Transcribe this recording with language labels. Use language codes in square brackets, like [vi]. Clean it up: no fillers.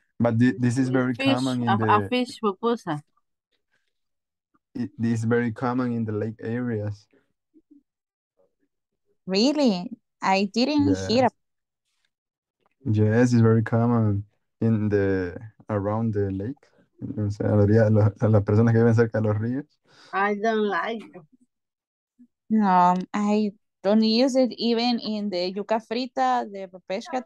[en] But this is very fish, common in the... A fish pupusa. This is very common in the lake areas. Really? I didn't hear. Yes, it's very common in the around the lake. [es] Las personas que viven cerca de los ríos. [en] I don't like it. No, I don't use it even in the yuca frita de pesca.